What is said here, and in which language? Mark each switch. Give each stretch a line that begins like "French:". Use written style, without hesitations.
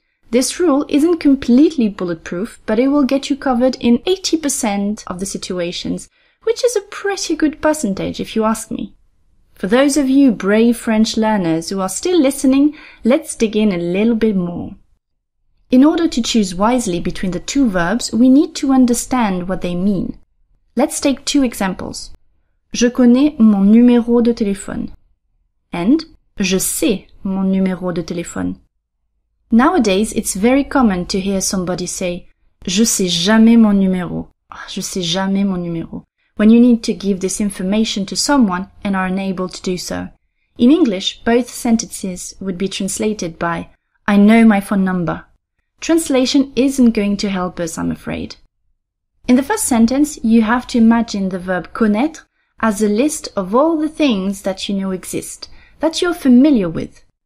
English: This rule isn't completely bulletproof, but it will get you covered in 80% of the situations, which is a pretty good percentage if you ask me. For those of you brave French learners who are still listening, let's dig in a little bit more. In order to choose wisely between the two verbs, we need to understand what they mean. Let's take two examples.
French: Je connais mon numéro de téléphone. And je sais mon numéro de téléphone.
English: Nowadays, it's very common to hear somebody say
French: je sais jamais mon numéro. Je sais jamais mon numéro.
English: When you need to give this information to someone and are unable to do so. In English, both sentences would be translated by I know my phone number. Translation isn't going to help us, I'm afraid. In the first sentence, you have to imagine the verb connaître as a list of all the things that you know exist, that you're familiar with.